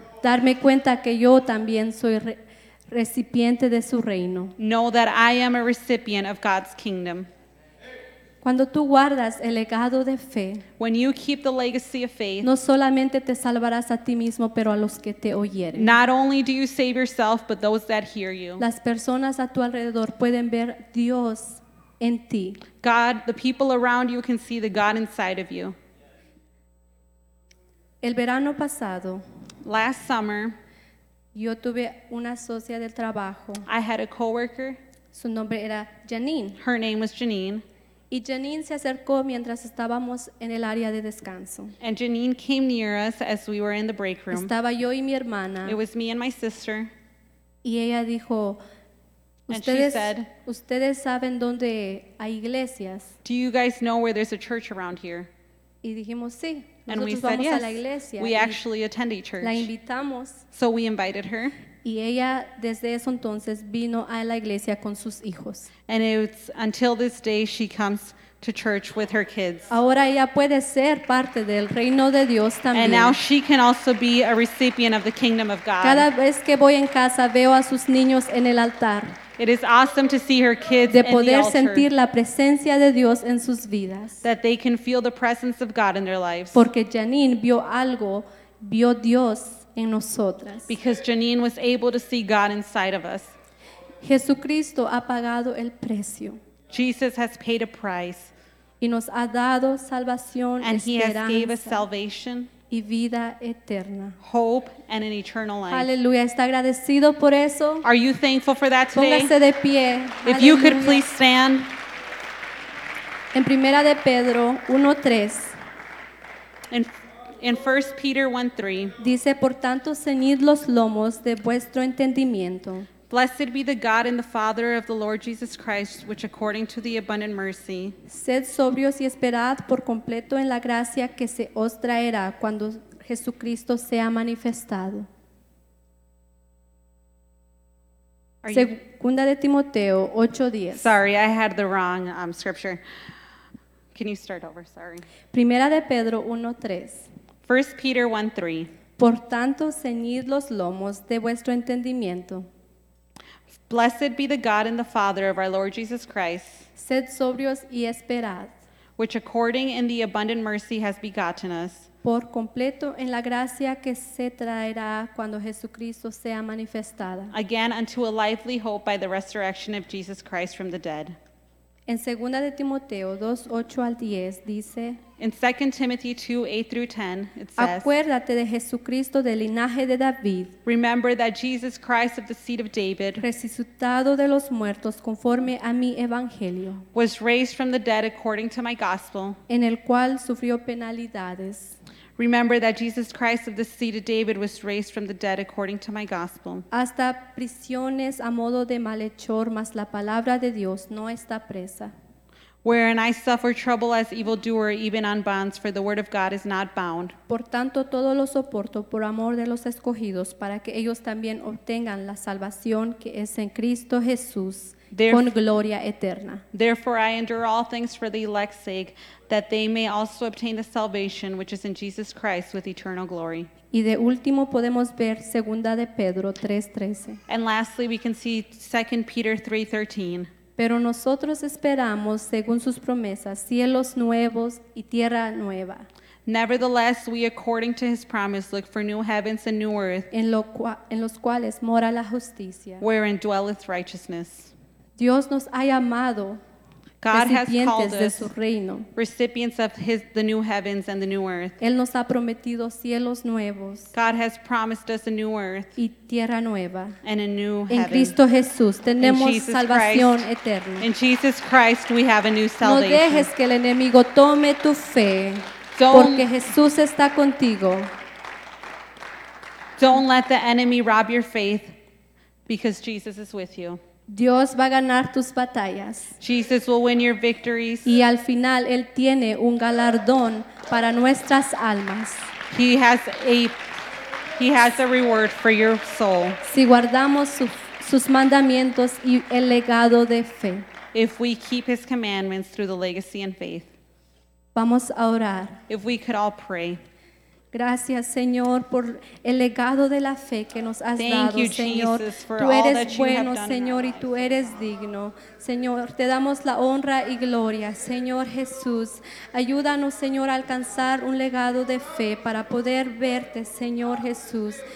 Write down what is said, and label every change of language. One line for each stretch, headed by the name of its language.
Spanish: darme cuenta que yo también soy recipiente de su reino.
English: Know that I am a recipient of God's kingdom.
Spanish: Cuando tú guardas el legado de fe,
English: when you keep the legacy of faith,
Spanish: no solamente te salvarás a ti mismo, pero a los que te oyeren.
English: Not only do you save yourself, but those that hear you.
Spanish: Las personas a tu alrededor pueden ver Dios en ti.
English: God, the people around you can see the God inside of you.
Spanish: El verano pasado,
English: last summer,
Spanish: yo tuve una socia del trabajo.
English: I had a coworker.
Spanish: Su nombre era Janine.
English: Her name was Janine.
Spanish: Y Janine se acercó mientras estábamos en el área de descanso.
English: And Janine came near us as we were in the break room.
Spanish: Estaba yo y mi hermana.
English: It was me and my sister.
Spanish: Y ella dijo, ustedes,
English: and she said,
Spanish: ustedes saben dónde hay iglesias.
English: Do you guys know where there's a church around here?
Spanish: Y dijimos, sí.
English: And
Spanish: nosotros
English: we said,
Spanish: vamos
English: yes,
Spanish: a la iglesia.
English: We actually attend a church.
Spanish: La invitamos.
English: So we invited her.
Spanish: Y ella desde eso entonces vino a la iglesia con sus hijos.
English: And it's until this day she comes to church with her kids.
Spanish: Ahora ella puede ser parte del reino de Dios también.
English: And now she can also be a recipient of the kingdom of God.
Spanish: Cada vez que voy en casa veo a sus niños en el altar.
English: It is awesome to see her kids in the altar.
Spanish: De poder sentir la presencia de Dios en sus vidas.
English: That they can feel the presence of God in their lives.
Spanish: Porque Janine vio algo, vio Dios en nosotras.
English: Because Janine was able to see God inside of us.
Spanish: Jesucristo ha pagado el precio.
English: Jesus has paid a price.
Spanish: Y nos ha dado salvación,
English: and
Spanish: esperanza,
English: he has gave us salvation
Spanish: y vida eterna.
English: Hope and an eternal life.
Spanish: Aleluya. ¿Está agradecido por eso?
English: Are you thankful for that today?
Spanish: Póngase de pie.
English: If
Spanish: Aleluya.
English: You could please stand.
Spanish: En Primera de Pedro 1:3.
English: In 1 Peter 1:3,
Spanish: dice, por tanto, ceñid los lomos de vuestro entendimiento.
English: Blessed be the God and the Father of the Lord Jesus Christ, which according to the abundant mercy,
Spanish: sed sobrios y esperad por completo en la gracia que se os traerá cuando Jesucristo sea manifestado. Segunda de Timoteo 8:10.
English: Sorry, I had the wrong scripture. Can you start over? Sorry.
Spanish: Primera de Pedro 1:3.
English: 1 Peter 1:3.
Spanish: Por tanto, ceñid los lomos de vuestro entendimiento.
English: Blessed be the God and the Father of our Lord Jesus Christ.
Spanish: Sed sobrios y esperad.
English: Which according in the abundant mercy has begotten us.
Spanish: Por completo en la gracia que se traerá cuando Jesucristo sea manifestada.
English: Again, unto a lively hope by the resurrection of Jesus Christ from the dead.
Spanish: En 2 de Timoteo 2:8-10 dice,
English: in 2 Timothy 2:8-10, it says,
Spanish: acuérdate de Jesucristo del linaje de David,
English: remember that Jesus Christ of the seed of David,
Spanish: resucitado de los muertos conforme a mi evangelio,
English: was raised from the dead according to my gospel,
Spanish: en el cual sufrió penalidades,
English: remember that Jesus Christ of the seed of David was raised from the dead according to my gospel.
Spanish: Hasta prisiones a modo de malhechor, mas la palabra de Dios no está presa.
English: Wherein I suffer trouble as evildoer, even on bonds, for the word of God is not bound.
Spanish: Por tanto, todo lo soporto por amor de los escogidos, para que ellos también obtengan la salvación que es en Cristo Jesús, con gloria eterna.
English: Therefore, I endure all things for the elect's sake, that they may also obtain the salvation which is in Jesus Christ with eternal glory.
Spanish: Y de último podemos ver segunda de Pedro 3:13.
English: And lastly, we can see 2 Peter 3:13.
Spanish: Pero nosotros esperamos, según sus promesas, cielos nuevos y tierra nueva.
English: Nevertheless, we according to his promise look for new heavens and new earth,
Spanish: en los cuales mora la justicia,
English: wherein dwelleth righteousness.
Spanish: Dios nos ha llamado,
English: God has called us
Spanish: de su reino.
English: Recipients of his, the new heavens and the new earth.
Spanish: Él nos ha prometido cielos nuevos.
English: God has promised us a new earth.
Spanish: Y tierra nueva.
English: And a new heaven.
Spanish: En Cristo Jesús tenemos salvación eterna.
English: In Jesus Christ we have a new salvation.
Spanish: No dejes que el enemigo tome tu fe.
English: Don't,
Spanish: porque Jesús está contigo.
English: Don't let the enemy rob your faith because Jesus is with you.
Spanish: Dios va a ganar tus batallas.
English: Jesus will win your victories.
Spanish: Y al final, Él tiene un galardón para nuestras almas.
English: He has a reward for your soul.
Spanish: Si guardamos sus mandamientos y el legado de fe.
English: If we keep His commandments through the legacy and faith.
Spanish: Vamos a orar.
English: If we could all pray.
Spanish: Gracias, Señor, por el legado de la fe que nos has
English: Thank
Spanish: dado,
English: you,
Spanish: Señor.
English: Jesus,
Spanish: tú eres bueno, Señor, y tú eres digno. Señor, te damos la honra y gloria. Señor Jesús, ayúdanos, Señor, a alcanzar un legado de fe para poder verte, Señor Jesús.